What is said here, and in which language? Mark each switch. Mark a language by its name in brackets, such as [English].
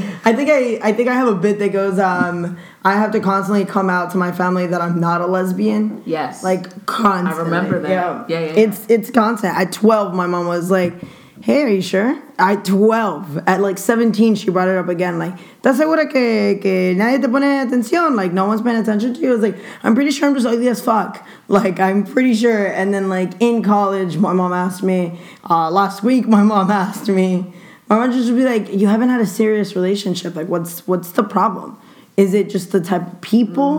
[English] I think I have a bit that goes, I have to constantly come out to my family that I'm not a lesbian. Yes. Like, constantly. I remember that. Yeah. It's constant. At 12, my mom was like, hey, are you sure? At 12. At, like, 17, she brought it up again. Like, [Spanish] ¿estás segura que nadie te pone atención? [English] Like, no one's paying attention to you? I was like, I'm pretty sure I'm just ugly as fuck. Like, I'm pretty sure. And then, like, in college, my mom asked me. Last week, my mom asked me. My mom just would be like, you haven't had a serious relationship. Like, what's the problem? Is it just the type of people?